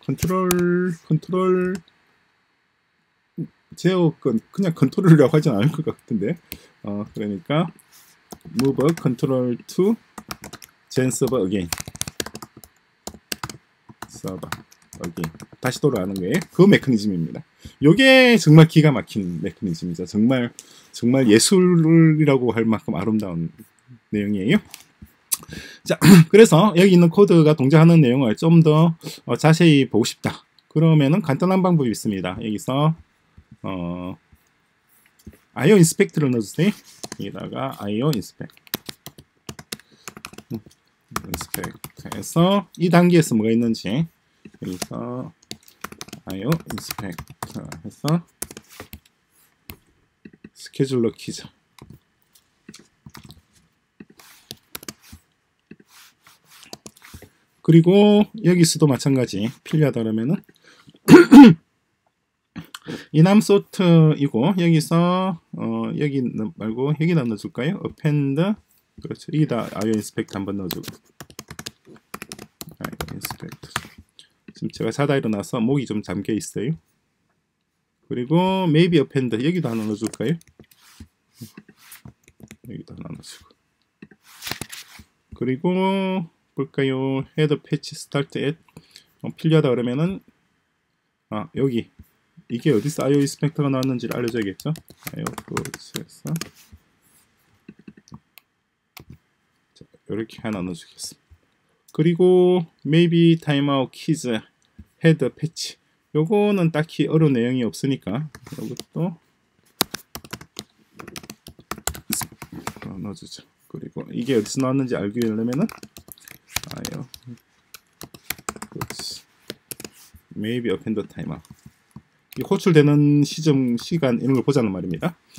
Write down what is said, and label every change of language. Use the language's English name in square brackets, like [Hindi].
[Korean] 컨트롤 제어권, 그냥 컨트롤이라고 하진 않을 것 같은데. [English] 그러니까 move control to gen server again. server again. [Korean] 다시 돌아가는 게 그 메커니즘입니다. 요게 정말 기가 막힌 메커니즘이죠. 정말 예술이라고 할 만큼 아름다운 내용이에요. 자, 그래서 여기 있는 코드가 동작하는 내용을 좀 더 자세히 보고 싶다. 그러면은 간단한 방법이 있습니다. 여기서 IO inspect를 넣어주세요. 여기다가 IO inspect 해서 이 단계에서 뭐가 있는지 여기서 IO inspect 해서 스케줄러 키죠. 그리고 여기서도 마찬가지 필요하다면은 이남 소트이고 여기서 여기 말고 여기다 넣어줄까요? append 그렇죠. 여기다 IO inspect 한번 넣어주고 IO inspect. 지금 제가 자다 일어나서 목이 좀 잠겨 있어요. 그리고 maybe append 여기도 하나 넣어줄까요? 여기도 하나 넣어주고 그리고 볼까요? head patch start at 필요하다 그러면은 여기 이게 어디서 IO inspector가 나왔는지를 알려줘야겠죠? IO process에서 이렇게 하나 넣어주겠습니다. 그리고 maybe timeout keys head patch. 요거는 딱히 어려운 내용이 없으니까 요것도 넣어주죠. 그리고 이게 어디서 나왔는지 알기 위해서는 아요 maybe append timeout 호출되는 시점 시간 이런 걸 보자는 말입니다.